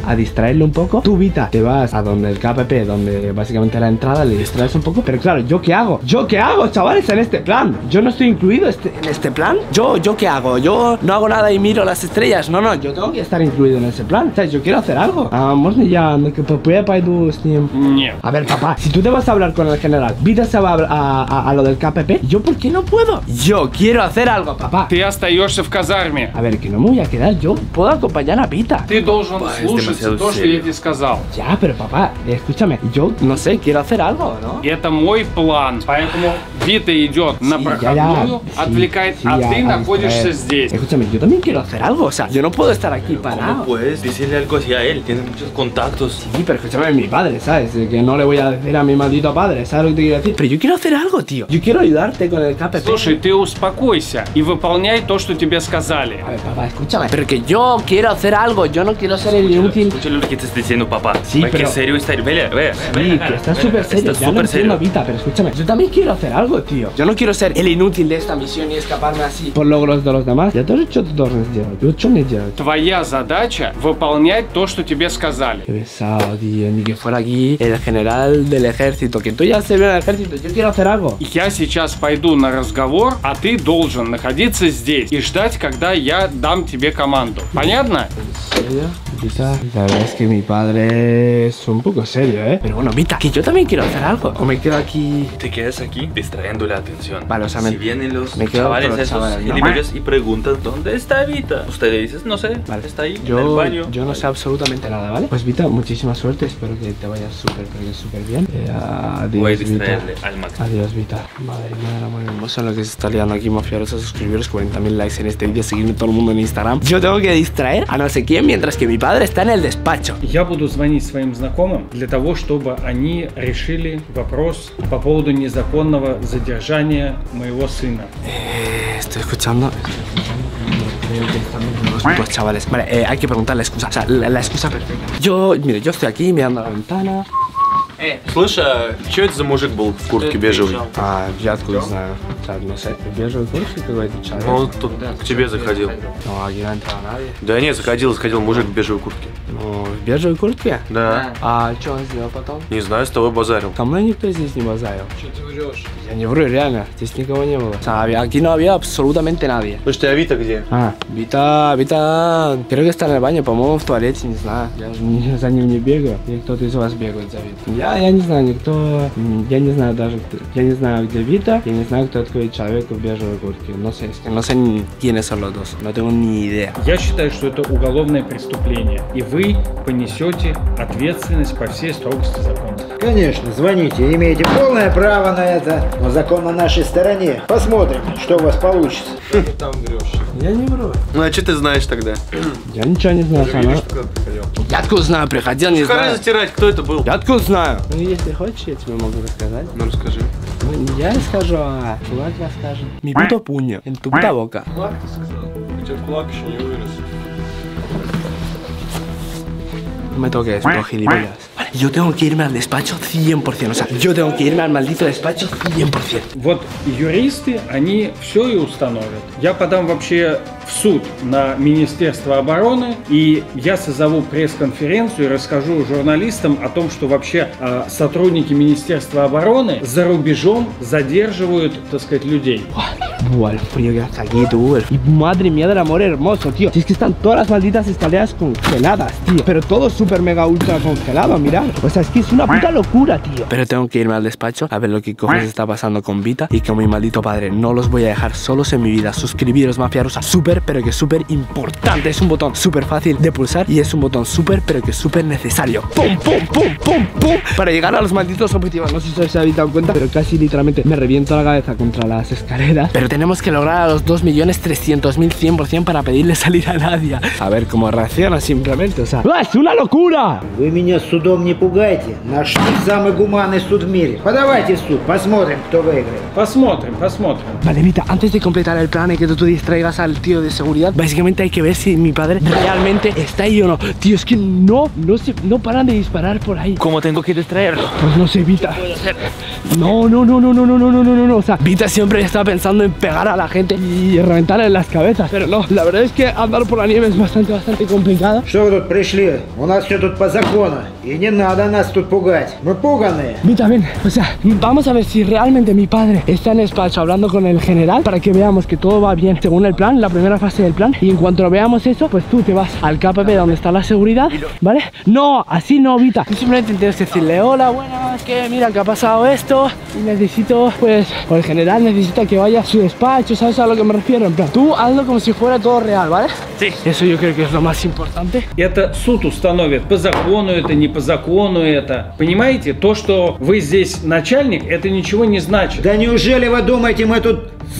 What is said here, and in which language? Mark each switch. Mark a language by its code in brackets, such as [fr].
[es] A distraerle un poco? Tú, Vita, te vas a donde el KPP, donde básicamente la entrada, le distraes un poco. Pero claro, ¿yo qué hago? ¿Yo qué hago, chavales, en este plan? ¿Yo no estoy incluido en este plan? ¿Yo qué hago? ¿Yo no hago nada y miro las estrellas? No, yo tengo que estar incluido en ese plan. O sea, yo quiero hacer algo. [ru] Можно я на КПП пойду с ним? Нет. [es] A ver, papá, si tú te vas a hablar con el general, Vita se va a lo del KPP. ¿Yo por qué no puedo? Yo quiero hacer algo, papá. [ru] Ты остаешься в казарме. [es] A ver, que no me voy a quedar. Yo puedo acompañar a Vita. [ru] Ты должен слушать то, что я тебе сказал. [es] Ya, pero papá, escúchame. Yo, no sé, quiero hacer algo, ¿no? [ru] Это мой план. Поэтому Vita идет на проходную, отвлекает, а ты находишься здесь. [es] Escúchame, yo también quiero hacer algo. O sea, yo no puedo estar aquí parado. ¿Cómo puedes decirle algo así a él? Tiene muchos contactos. Sí, pero escúchame, mi padre, ¿sabes? Que no le voy a decir a mi maldito padre, ¿sabes lo que te quiero decir? Pero yo quiero hacer algo, tío. Yo quiero ayudarte con el KPP. [ru] Слушай, ты успокойся [es] y [ru] выполняй то, что тебе сказали. [es] A ver, papá, escúchame. Pero que yo quiero hacer algo, yo no quiero ser escúchalo, el inútil. Escúchalo lo que estás diciendo, papá. Sí, ve Ve que serio está, ve. Sí, que estás súper serio, está ya lo entiendo, serio. Vita, pero escúchame. Yo también quiero hacer algo, tío. Yo no quiero ser el inútil de esta misión y escaparme así. Por logros de los demás. Ya te he hecho tu torre, yo he hecho [ru] твоя задача выполнять то, что тебе сказали. [es] Qué pesado, tío, ni que fuera aquí. El general del ejército, que tú ya se ve en el ejército, yo quiero hacer algo. [ru] Я сейчас пойду на разговор, а ты должен находиться здесь и ждать, когда я дам тебе команду. Понятно? [es] ¿En serio? pizza. La verdad es que mi padre es un poco serio, ¿eh? Pero bueno, Vita, que yo también quiero hacer algo. ¿O me quedo aquí? Te quedas aquí distrayendo la atención. Vale, o sea, si vienen los chavales esos, chavales, ¿no? Y preguntas, ¿dónde está Vita? Usted le dices, no sé, vale. Está ahí, yo, en el baño. Yo no sé absolutamente nada, ¿vale? Pues Vita, muchísima suerte. Espero que te vayas súper, súper bien. Adiós, voy a distraerle al máximo. Adiós, Vita. Madre mía, era muy hermoso lo que se está liando aquí, mafiaros, a suscribiros, 40.000 likes en este vídeo, seguirme todo el mundo en Instagram. Yo tengo que distraer a no sé quién mientras que mi padre está en el despacho. [ru] Я буду звонить своим знакомым для того, чтобы они решили вопрос по поводу незаконного задержания моего сына. [es] Estoy escuchando. Pues chavales, vale, hay que preguntar la excusa, o sea, la excusa perfecta. Yo, mire, yo estoy aquí mirando la ventana. [ru] Слушай, что это за мужик был в куртке бежевой? А, я откуда знаю? Так, ну, с этой бежевой куртки какой-то человек. Ну, он тут к тебе заходил. Ну, а я не Да нет, заходил мужик в бежевой куртке. Ну, в бежевой куртке? Да. А что он сделал потом? Не знаю, с тобой базарил. Со мной никто здесь не базарил. Что ты врешь? Я не вру, реально, здесь никого не было. Сами, аки не было абсолютно никого. Слушай, а Вита где? А, Вита, Вита, первый раз в бане, по-моему, в туалете, не знаю. Я за ним не бегаю, и кто-то из вас бегает за Витой. Я не знаю никто, я не знаю даже, я не знаю где Вита, я не знаю кто такой человек в бежевой куртке. Но не [es] тiene saludos, no tengo ni idea. [ru] Я считаю, что это уголовное преступление, и вы понесете ответственность по всей строгости закона. Конечно, звоните, имеете полное право на это. Но закон на нашей стороне. Посмотрим, что у вас получится. Что ты там врешь? Я не вру. Ну а что ты знаешь тогда? Я ничего не знаю. Видишь, куда приходил? Я откуда знаю, приходил, не знаю. Скажи затирать, кто это был? Я откуда знаю? Ну если хочешь, я тебе могу рассказать. Ну расскажи. Ну не я расскажу, а кулак расскажет. Ми буто пуньо. Ин ту бута вока. Кулак ты сказал? У тебя кулак еще не вырос. [es] No me toques, no, gilipollas. Vale, yo tengo que irme al despacho 100%. O sea, yo tengo que irme al maldito despacho 100%. [ru] Вот, юристы, они все и установят. Я подам вообще в суд на Министерство обороны, и я созову пресс-конференцию и расскажу журналистам о том, что вообще сотрудники Министерства обороны за рубежом задерживают, так сказать, людей. [es] Buah, el frío que hace aquí, tú. Y madre mía del amor hermoso, tío. Si es que están todas las malditas escaleras congeladas, tío. Pero todo súper mega ultra congelado, mirad. O sea, es que es una puta locura, tío. Pero tengo que irme al despacho a ver lo que cojones está pasando con Vita y con mi maldito padre. No los voy a dejar solos en mi vida. Suscribiros, mafiarosa. Súper, pero que súper importante. Es un botón súper fácil de pulsar y es un botón súper, pero que súper necesario. ¡Pum, pum, pum, pum, pum! Para llegar a los malditos objetivos. No sé si os habéis dado cuenta, pero casi literalmente me reviento la cabeza contra las escaleras. Pero tenemos que lograr a los 2.300.100% para pedirle salir a Nadia. A ver cómo reacciona simplemente, o sea... ¡Ah, es una locura! [ru] Вы меня судом не пугайте. Наш самый гуманный суд в мире. Подавайте суд, посмотрим, кто выиграет. Посмотрим, посмотрим. [es] Vale, Vita, antes de completar el plan y que tú distraigas al tío de seguridad, básicamente hay que ver si mi padre realmente está ahí o no. Tío, es que no paran de disparar por ahí. ¿Cómo tengo que distraerlo? Pues no sé, Vita. No. O sea, Vita siempre está pensando en pegar a la gente y reventarle las cabezas. Pero no, la verdad es que andar por la nieve es bastante complicado. [ru] Что вы тут пришли? У нас все тут по закону. И не надо нас тут пугать. Мы пуганы. [es] Vita, ven. O sea, vamos a ver si realmente mi padre está en el despacho hablando con el general para que veamos que todo va bien según el plan, la primera fase del plan. Y en cuanto lo veamos eso, pues tú te vas al KPP donde está la seguridad. ¿Vale? No, así no, Vita. Tú simplemente tienes que decirle, hola, buenas, que mira que ha pasado esto. Y necesito, pues, por el general necesita que vaya a su despacho, ¿sabes a lo que me refiero? En plan, tú hazlo como si fuera todo real, ¿vale? Sí. Eso yo creo que es lo más importante. Y [ru] это суд установит, по закону это, не по закону это. Понимаете? То, что вы здесь начальник, это ничего не значит. Да неужели вы думаете, мы тут...